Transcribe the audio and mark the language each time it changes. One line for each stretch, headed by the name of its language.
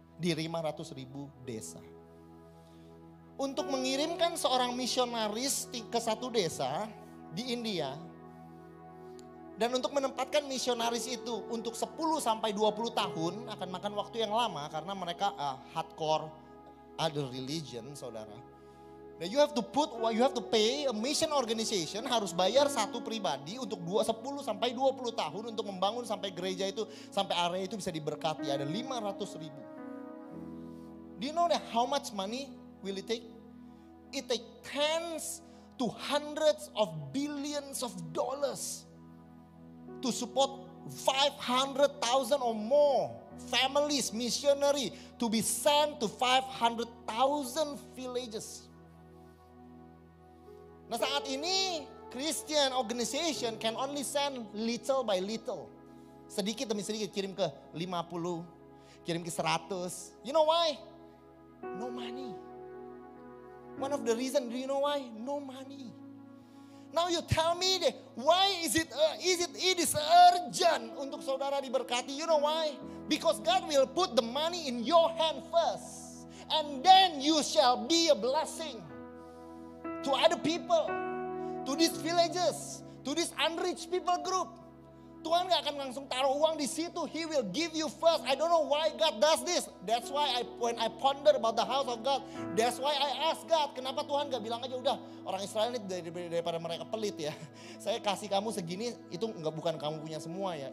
Indonesian: Di 500 ribu desa. Untuk mengirimkan seorang misionaris ke satu desa di India, dan untuk menempatkan misionaris itu untuk 10 sampai 20 tahun akan makan waktu yang lama karena mereka
English: hardcore other religion,
Indonesian: saudara.
English: Now you have to put, you have to pay a mission organization,
Indonesian: harus bayar satu pribadi untuk 10 sampai 20 tahun untuk membangun sampai gereja itu, sampai area itu bisa diberkati, ada 500 ribu.
English: Do you know that how much money will it take? It takes tens to hundreds of billions of dollars to support 500,000 or more families, missionary, to be sent to 500,000 villages.
Indonesian: Nah saat ini,
English: Christian organization can only send little by little.
Indonesian: Sedikit demi sedikit, kirim ke 50, kirim ke 100.
English: You know why? No money. One of the reason, do you know why? No money. Now you tell me, why is it urgent
Indonesian: untuk saudara diberkati?
English: You know why? Because God will put the money in your hand first. And then you shall be a blessing to other people, to these villages, to this unreached people group.
Indonesian: Tuhan gak akan langsung taruh uang di situ.
English: He will give you first. I don't know why God does this. That's why when I ponder about the house of God, that's why I ask God,
Indonesian: kenapa Tuhan gak bilang aja udah orang Israel ini daripada mereka pelit ya. Saya kasih kamu segini, itu gak, bukan kamu punya semua ya.